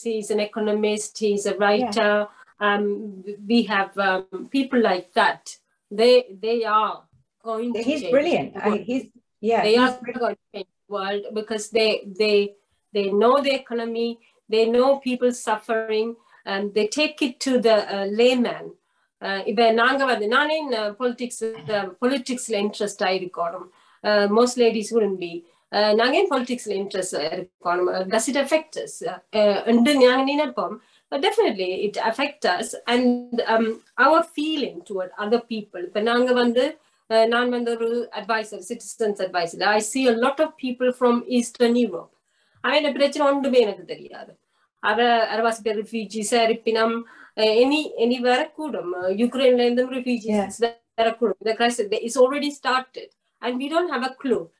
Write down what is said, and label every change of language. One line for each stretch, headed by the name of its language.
English: He's an economist, he's a writer. We have people like that. They are going to he's brilliant. World, because they know the economy, they know people's suffering, and they take it to the layman.
Tamil: இப்ப நாங்க வந்து நானே politics-ல interest ஆகி இருக்கணும்.
English: Most ladies wouldn't be.
Tamil: நாங்க ஏன் politics-ல interest இருக்கணும்?
English: Does it affect us?
Tamil: நாங்க நினைப்போம்.
English: But definitely it affects us and our feeling toward other people.
Tamil: இப்ப நாங்க வந்து நான் வந்து ஒரு advisor, citizens advisor.
English: I see a lot of people from eastern Europe.
Tamil: அவன் பிரச்சனை ஒன்றுமே எனக்கு தெரியாது. அவரை அரவாசி பேர் ரிஃப்யூஜிஸா இருப்பினும் எனி வரக்கூடும். யுக்ரைன்ல இருந்தும் ரிஃப்யூஜிஸ் வரக்கூடும்.
English: இந்த crisis is already started and we don't have a clue.